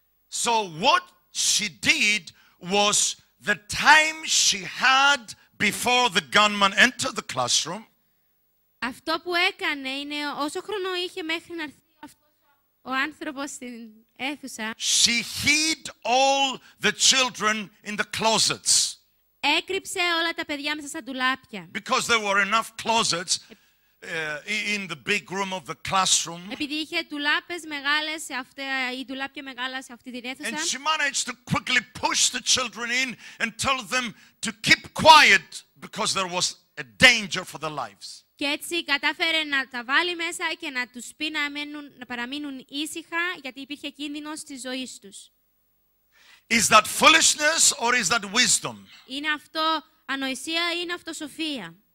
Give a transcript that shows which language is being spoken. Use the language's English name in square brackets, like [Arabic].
[English] So what she did was the time she had before the gunman entered the classroom. [Greek] Αυτό που έκανε είναι όσο χρόνο είχε μέχρι να έρθει ο άνθρωπος στην αίθουσα. [English] She hid all the children in the closets. [Greek] Έκρυψε όλα τα παιδιά μέσα στα ντουλάπια. [English] Because there were enough closets in the big room of the classroom. [Greek] Επειδή είχε ντουλάπες μεγάλες σε αυτή, οι ντουλάπια μεγάλα σε αυτή την αίθουσα. [English] And she managed to quickly push the children in and tell them to keep quiet because there was a danger for their lives. [Greek] Και έτσι κατάφερε να τα βάλει μέσα και να τους πει να παραμείνουν ήσυχα γιατί υπήρχε κίνδυνος στη ζωή τους. [English] Is that foolishness or is that wisdom? [Greek] Είναι αυτό ανοησία ή είναι αυτό σοφία?